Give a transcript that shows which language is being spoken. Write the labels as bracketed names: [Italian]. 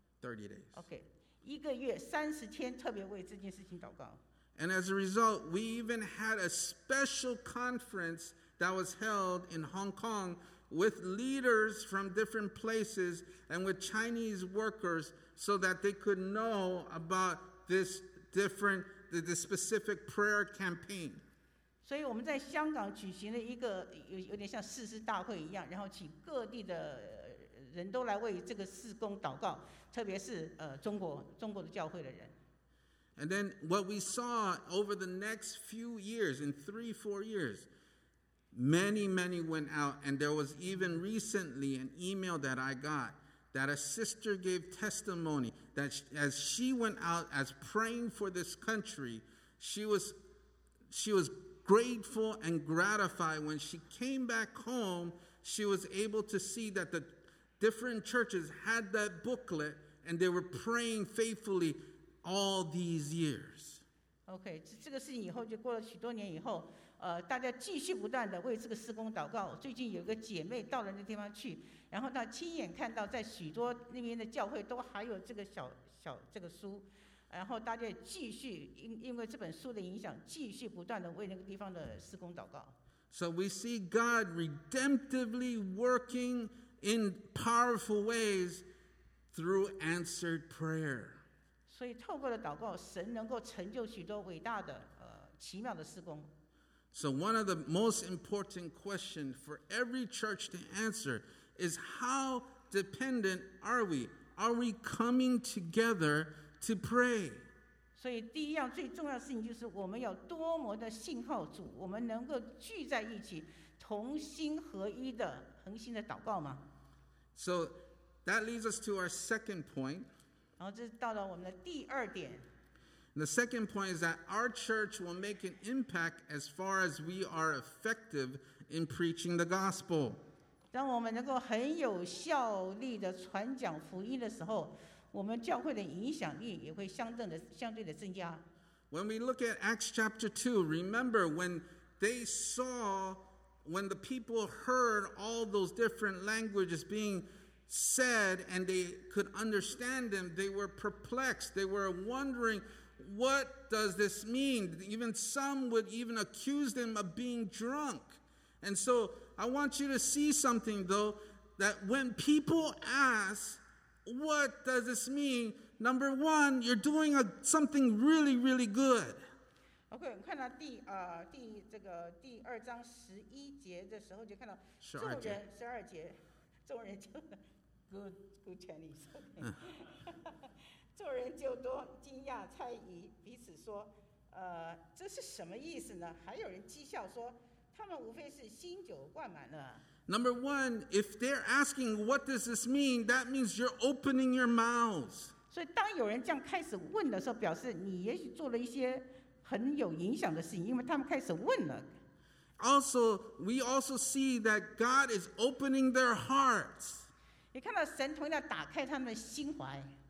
[English] ？30 days. [Chinese] Okay, 一个月30天，特别为这件事情祷告。 [English] And as a result, we even had a special conference that was held in Hong Kong with leaders from different places and with Chinese workers so that they could know about this different, the specific prayer campaign. [Chinese] 所以我们在香港举行了一个有点像誓师大会一样，然后请各地的人都来为这个事工祷告，特别是中国的教会的人。 [English] And then what we saw over the next few years, in 3-4 years, many, many went out. And there was even recently an email that I got that a sister gave testimony that as she went out as praying for this country, she was grateful and gratified. When she came back home, she was able to see that the different churches had that booklet and they were praying faithfully all these years. [Chinese] Okay, 这个事情以后就过了许多年以后，大家继续不断的为这个事工祷告。最近有一个姐妹到了那地方去，然后她亲眼看到在许多那边的教会都还有这个小这个书，然后大家继续因为这本书的影响，继续不断的为那个地方的事工祷告。 [English] So we see God redemptively working in powerful ways through answered prayer. [Chinese] 所以透过了祷告，神能够成就许多伟大的、奇妙的事工。 [English] So one of the most important questions for every church to answer is how dependent are we? Are we coming together to pray? [Chinese] 所以第一样最重要的事情就是我们要多么的信靠主，我们能够聚在一起，同心合一的恒心的祷告吗？ [English] So that leads us to our second point. [Chinese] 然后这是到了我们的第二点。 [English] The second point is that our church will make an impact as far as we are effective in preaching the gospel. [Chinese] 当我们能够很有效力的传讲福音的时候，我们教会的影响力也会相对的增加。 [English] When we look at Acts chapter 2, remember when the people heard all those different languages being said and they could understand them, they were perplexed. They were wondering, what does this mean? Even some would even accuse them of being drunk. And so I want you to see something though, that when people ask, what does this mean? Number one, you're doing something really, really good. [Chinese] Okay, 我们看到第二章十一节的时候就看到十二节，众人就 [English] Good Chinese. [Chinese] 众人就多惊讶猜疑，彼此说：“这是什么意思呢？” 还有人讥笑说：“他们无非是新酒灌满了。” [English] Number one, if they're asking what does this mean, that means you're opening your mouths. [Chinese] 所以当有人这样开始问的时候，表示你也许做了一些很有影响的事情，因为他们开始问了。 [English] Also, we also see that God is opening their hearts. [Chinese] 你看到神同样打开他们的心怀。